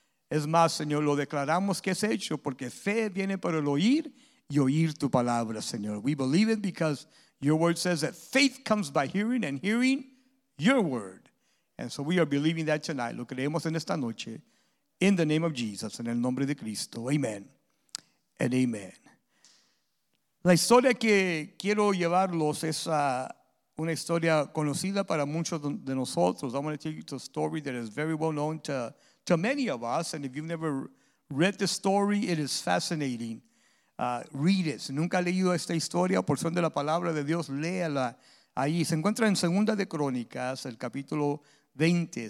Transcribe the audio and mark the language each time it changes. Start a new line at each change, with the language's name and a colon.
Spanish: Es más, Señor, lo declaramos que es hecho porque fe viene por el oír y oír tu palabra, Señor.
English: We believe it because your word says that faith comes by hearing and hearing your word. And so we are believing that tonight.
Spanish: Lo creemos en esta noche.
English: In the name of Jesus,
Spanish: en el nombre de Cristo.
English: Amen. And amen.
Spanish: La historia que quiero llevarlos es una historia conocida para muchos de nosotros.
English: I'm going to take you to a story that is very well known to many of us. And if you've never read the story, it is fascinating. Read it.
Spanish: Si nunca ha leído esta historia o porción de la palabra de Dios, léala ahí. Se encuentra en Segunda de Crónicas, el capítulo 20.